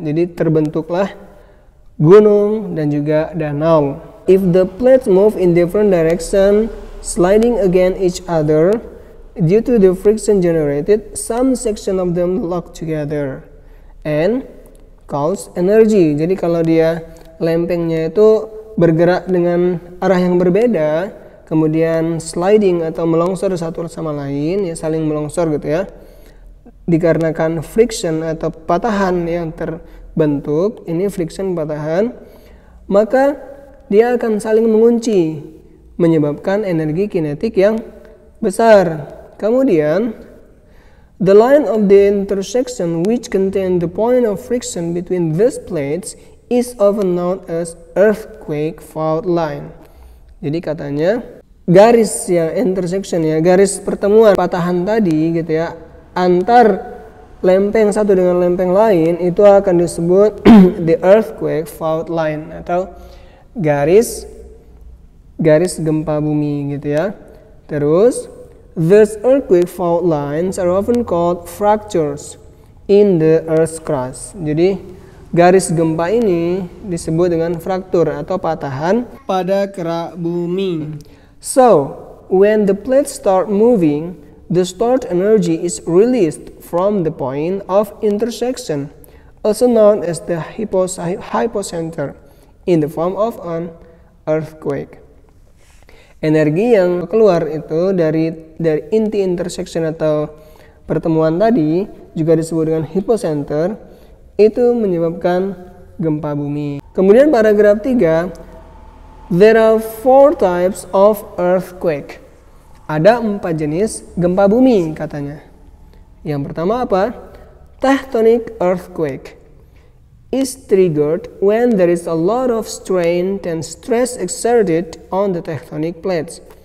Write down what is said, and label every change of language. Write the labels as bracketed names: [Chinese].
[Indonesian] Jadi terbentuklah gunung dan juga danau. [English] If the plates move in different direction, sliding against each other, due to the friction generated, some section of them lock together and cause energy. [Indonesian] Jadi kalau dia lempengnya itu bergerak dengan arah yang berbeda, kemudian sliding atau melongsor satu sama lain, ya saling melongsor gitu ya, dikarenakan friction atau patahan yang terbentuk, ini friction patahan, maka dia akan saling mengunci, menyebabkan energi kinetik yang besar. Kemudian, [English] the line of the intersection which contains the point of friction between these plates is often known as earthquake fault line. [Indonesian] Jadi katanya garis ya, intersection ya, garis pertemuan patahan tadi gitu ya, antar lempeng satu dengan lempeng lain itu akan disebut [English] the earthquake fault line [Indonesian] atau garis gempa bumi gitu ya. Terus [English] these earthquake fault lines are often called fractures in the earth's crust. [Indonesian] Jadi garis gempa ini disebut dengan fraktur atau patahan pada kerak bumi. [English] So, when the plates start moving, the stored energy is released from the point of intersection, also known as the hypocenter, in the form of an earthquake. [Indonesian] Energi yang keluar itu dari inti intersection atau pertemuan tadi juga disebut dengan hypocenter, itu menyebabkan gempa bumi. Kemudian paragraf 3, [English] there are four types of earthquake. [Indonesian] Ada 4 jenis gempa bumi katanya. Yang pertama apa? [English] Tectonic earthquake is triggered when there is a lot of strain and stress exerted on the tectonic plates.